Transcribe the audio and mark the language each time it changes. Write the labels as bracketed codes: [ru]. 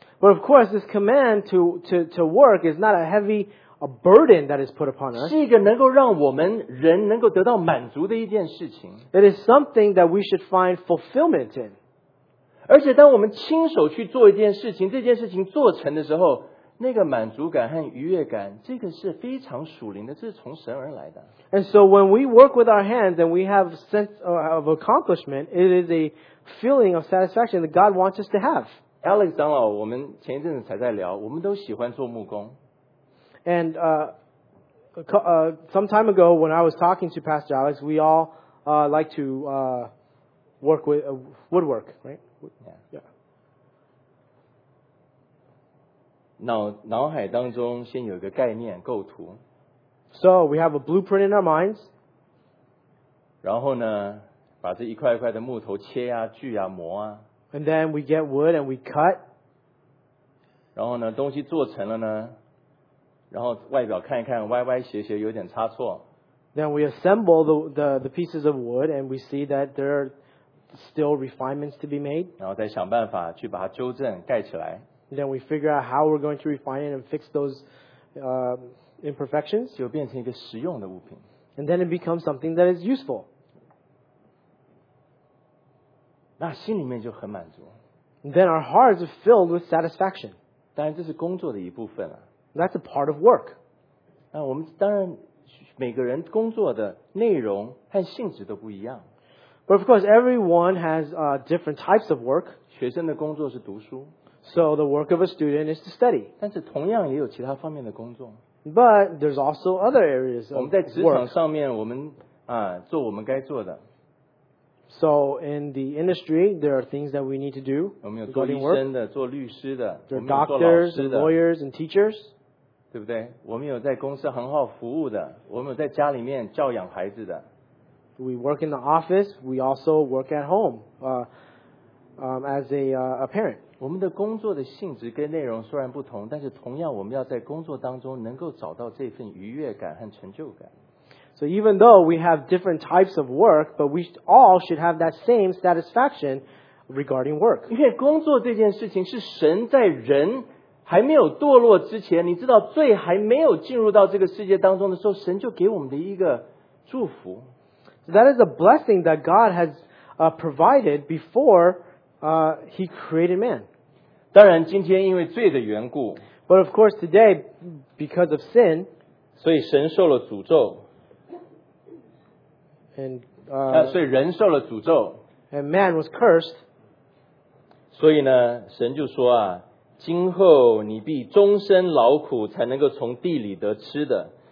[en] But of course, this command to work is not a burden that is put upon us. [zh] 是一个能够让我们人能够得到满足的一件事情。 [en] It is something that we should find fulfillment in. [zh] 而且当我们亲手去做一件事情，这件事情做成的时候，那个满足感和愉悦感，这个是非常属灵的，这是从神而来的。 [en] And so when we work with our hands and we have a sense of accomplishment, it is a feeling of satisfaction that God wants us to have. [zh] Alex 长老，我们前一阵子才在聊，我们都喜欢做木工。 [en] And some time ago when I was talking to Pastor Alex, we all like to work with woodwork, right? Yeah. Yeah. [zh] 脑海当中先有一个概念构图。 [en] So we have a blueprint in our minds. [zh] 然后呢把这一块一块的木头切啊锯啊磨啊。 [en] And then we get wood and we cut. [zh] 然后呢东西做成了呢，然后外表看一看歪歪斜斜有点差错。 [en] Then we assemble the pieces of wood, and we see that there are still refinements to be made. [zh] 然后再想办法去把它纠正盖起来。 [en] Then we figure out how we're going to refine it and fix those imperfections. [zh] 就变成一个实用的物品。 [en] And then it becomes something that is useful. [zh] 那心里面就很满足。 [en] Then our hearts are filled with satisfaction. [zh] 当然这是工作的一部分了。 [en] That's a part of work. [zh] 那我们当然每个人工作的内容和性质都不一样。 [en] But of course, everyone has different types of work. [zh] 学生的工作是读书。 [en] So the work of a student is to study. [zh] 但是同样也有其他方面的工作。 [en] But there's also other areas of work. [zh] 我们在职场上面，我们啊做我们该做的。 [en] So in the industry, there are things that we need to do. [zh] 我们有做医生的，做律师的。 [en] There are doctors, and lawyers, and teachers. [zh] 对不对？我们有在公司很好服务的，我们有在家里面教养孩子的。 [en] We work in the office. We also work at home, as a parent. [zh] 我们的工作的性质跟内容虽然不同，但是同样我们要在工作当中能够找到这份愉悦感和成就感。 [en] So even though we have different types of work, but we all should have that same satisfaction regarding work. [zh] 因为工作这件事情是神在人还没有堕落之前，你知道罪还没有进入到这个世界当中的时候，神就给我们的一个祝福。 [en] So that is a blessing that God has provided before He created man. [zh] 当然今天因为罪的缘故， [en] But of course today, because of sin, [zh] 所以神受了诅咒。 [en] And, [zh] 所以人受了诅咒。 [en] And man was cursed. [zh] 所以呢，神就说啊，今后你必终身劳苦才能够从地里得吃的。